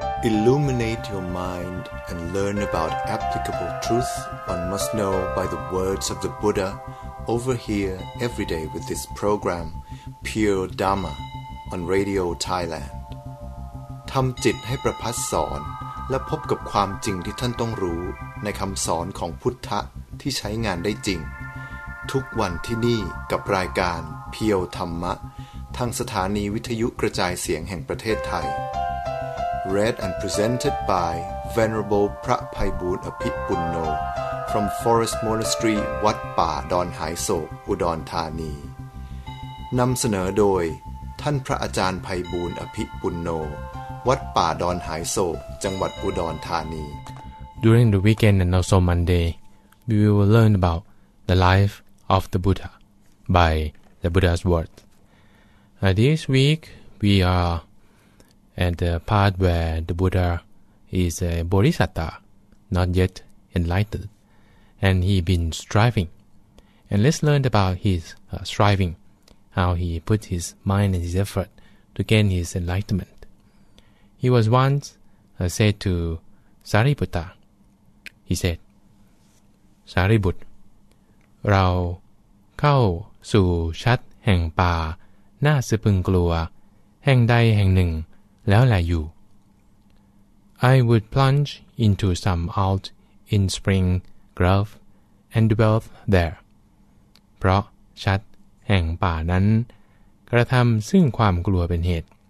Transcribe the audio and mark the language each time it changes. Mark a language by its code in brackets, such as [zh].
[en] Illuminate your mind and learn about applicable truth one must know by the words of the Buddha over here every day with this program, Pure Dharma, on Radio Thailand. [th] ทำจิตให้ประพัสสอนและพบกับความจริงที่ท่านต้องรู้ในคำสอนของพุทธะที่ใช้งานได้จริงทุกวันที่นี่กับรายการเพียวธรรมะทางสถานีวิทยุกระจายเสียงแห่งประเทศไทย Read and presented by Venerable พระไพบูลย์อภิปุณโญ from Forest Monastery วัดป่าดอนหายโศกอุดรธานีนำเสนอโดยท่านพระอาจารย์ไพบูลย์อภิปุณโญวัดป่าดอนหายโศกจังหวัดอุดรธานี [en] During the weekend and also Monday we will learn about the life of the Buddha by the Buddha's word. This week we are at the part where the Buddha is a Bodhisattva, not yet enlightened, and he's been striving. And let's learn about his striving, how he put his mind and his effort to gain his enlightenment. He was once said to Sariputta, he said, Sariputta, [th] เราเข้าสู่ชัดแห่งป่าน่าสะพึงกลัวแห่งใดแห่งหนึ่งแล้วแลอยู่ [en] I would plunge into some out in spring grove and dwell there. [th] เพราะชัดแห่งป่านั้นกระทำซึ่งความกลัวเป็นเหตุ